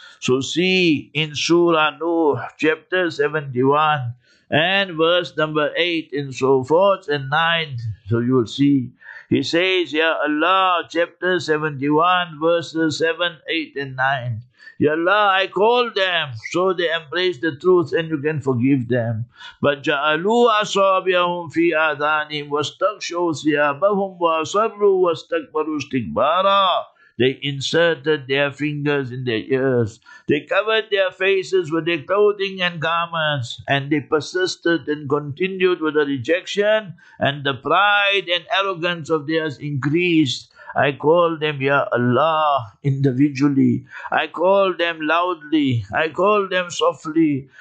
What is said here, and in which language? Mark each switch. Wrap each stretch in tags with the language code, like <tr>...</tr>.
<en>So see in Surah Nuh, chapter 71, and verse number 8 and so forth, and 9, so you'll see. He says, Ya Allah, chapter 71, verses 7, 8, and 9. Ya Allah, I call them, so they embrace the truth and you can forgive them.</en> <ar>But جَعَلُوا أَصَابِعَهُمْ فِي آذَانِهِمْ وَاسْتَغْشَوْا ثِيَابَهُمْ وَأَصَرُّوا وَاسْتَكْبَرُوا اسْتِكْبَارًا</ar> <en>They inserted their fingers in their ears. They covered their faces with their clothing and garments, and they persisted and continued with the rejection, and the pride and arrogance of theirs increased. I call them, Ya Allah, individually. I call them loudly. I call them softly.</en>